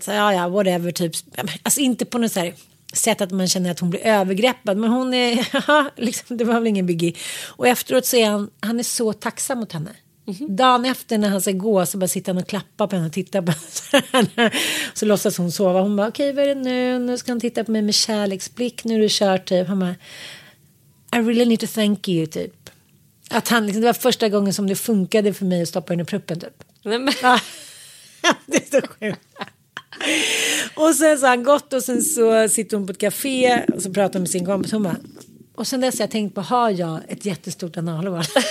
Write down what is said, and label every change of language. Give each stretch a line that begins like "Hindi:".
Swedish: Så här, whatever, typ. Alltså inte på något så här sätt att man känner att hon blir övergreppad. Men hon är, liksom, det var väl ingen biggie. Och efteråt så är han är så tacksam mot henne. Dagen efter när han ska gå så bara sitter han och klappar på henne och tittar på henne. Så låtsas hon sova. Hon bara, okej, vad är det nu? Nu ska han titta på mig med kärleksblick. Nu är du kört, typ. Han bara,
English: I really need to thank you, typ.
Swedish: Att han, liksom, det var första gången som det funkade för mig att stoppa henne i pruppen, typ. Nej, men... det är så skönt. Och sen så har han gått och sen så sitter hon på ett café och så pratar hon med sin kompis. Hon bara, och sen dess har jag tänkt på, har jag ett jättestort analval?